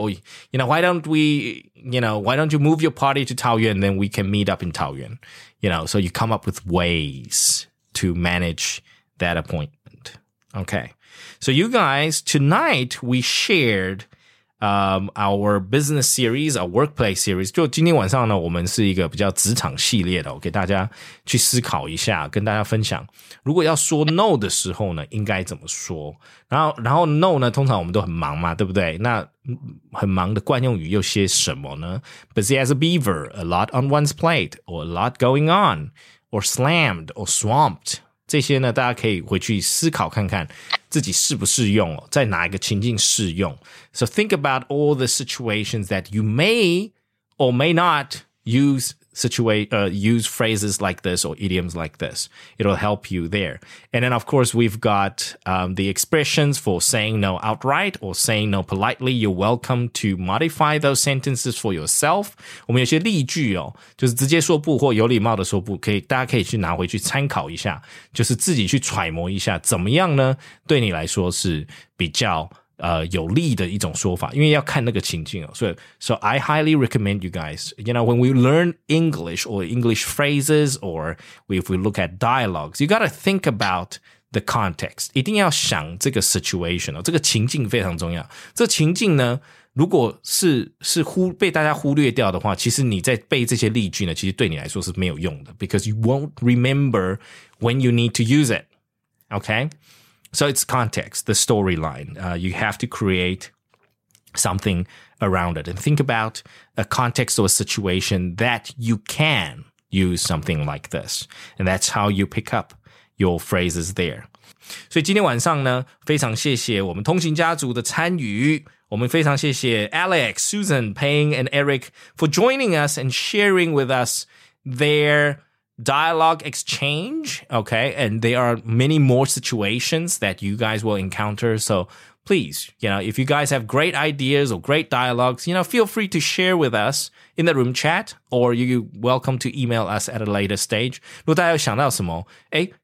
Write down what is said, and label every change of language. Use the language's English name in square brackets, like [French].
[English] Or, you know, why don't you move your party to Taoyuan? Then we can meet up in Taoyuan. You know, so you come up with ways to manage that appointment. Okay, so you guys, tonight we shared our business series, our workplace series. [Chinese] 就今天晚上呢，我们是一个比较职场系列的，我给大家去思考一下，跟大家分享，如果要说 no 的时候呢，应该怎么说？然后 no 呢，通常我们都很忙嘛，对不对？那很忙的惯用语又些什么呢 [English] ？Busy as a beaver, a lot on one's plate, or a lot going on, or slammed, or swamped. [Chinese] 这些呢，大家可以回去思考看看自己适不适用，在哪一个情境适用。 [English] So think about all the situations that you may or may not use phrases like this or idioms like this. It'll help you there. And then, of course, we've got the expressions for saying no outright or saying no politely. You're welcome to modify those sentences for yourself. [Chinese] 我们有些例句哦，就是直接说不或有礼貌的说不，可以大家可以去拿回去参考一下，就是自己去揣摩一下怎么样呢？对你来说是比较有利的一种说法，因为要看那个情境哦。 [English] So I highly recommend you guys. You know, when we learn English or English phrases, or if we look at dialogues, you gotta think about the context. [Chinese] 一定要想这个 situation 哦，这个情境非常重要。这情境呢，如果是被大家忽略掉的话，其实你在背这些例句呢，其实对你来说是没有用的 ， [English] because you won't remember when you need to use it. Okay. So it's context, the storyline. You have to create something around it. And think about a context or a situation that you can use something like this. And that's how you pick up your phrases there. [Chinese] 所以今天晚上呢，非常谢谢我们通勤家族的参与。我们非常谢谢 [English] Alex, Susan, Payne, and Eric for joining us and sharing with us their... dialogue exchange, okay, and there are many more situations that you guys will encounter, so please, you know, if you guys have great ideas or great dialogues, you know, feel free to share with us in the room chat, or you're welcome to email us at a later stage. [Chinese] 如果大家有想到什么，诶，